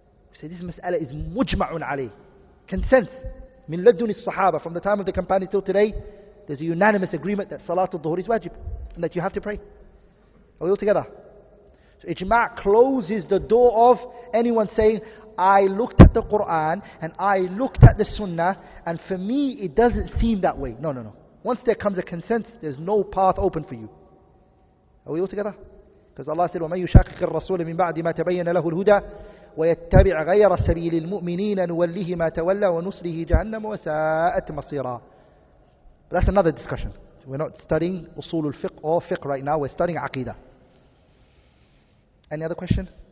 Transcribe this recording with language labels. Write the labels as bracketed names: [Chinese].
[English] We say this mas'ala is mujma'un alayh. Consent. Min ladduni sahaba, from the time of the companion till today, there's a unanimous agreement that salatul dhuhr is wajib and that you have to pray. Are we all together? So ijma' closes the door of anyone saying, I looked at the Quran and I looked at the sunnah and for me it doesn't seem that way. No, no, no. Once there comes a consent, there's no path open for you. Are we all together? Because Allah said, [Arabic] وَمَن يُشَاقِقِ الرَّسُولَ مِن بَعْدِ مَا تَبَيَّنَ لَهُ الْهُدَى ويتبع غير سبيل المؤمنين نوليه ما تولى ونصله جهنم وساءت مصيرا. [English] That's another discussion. We're not studying أصول الفقه or fiqh right now. We're studying عقيدة. Any other question?